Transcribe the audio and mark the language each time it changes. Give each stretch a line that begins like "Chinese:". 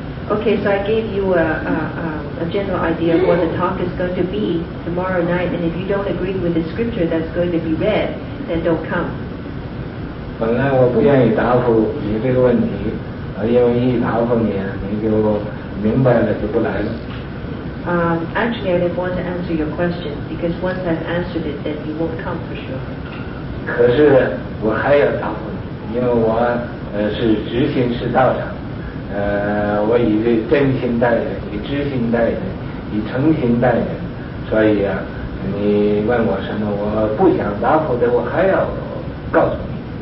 English: okay, so I gave you a general idea of what the talk is going to be tomorrow night, and if you don't agree with the scripture that's going to be read, then don't come.
Chinese: 本来我不愿意答复你这个问题，因为一答复你，你就明白了，就不来了。
English: Actually, I didn't want to answer your question because once I've answered it, then you won't come for sure.
Chinese: 可是我还要答复你，因为我是执行是道场。我以这真心待人，以知心待人，以诚心待人，所以啊，你问我什么，我不想答复的，我还要告诉你。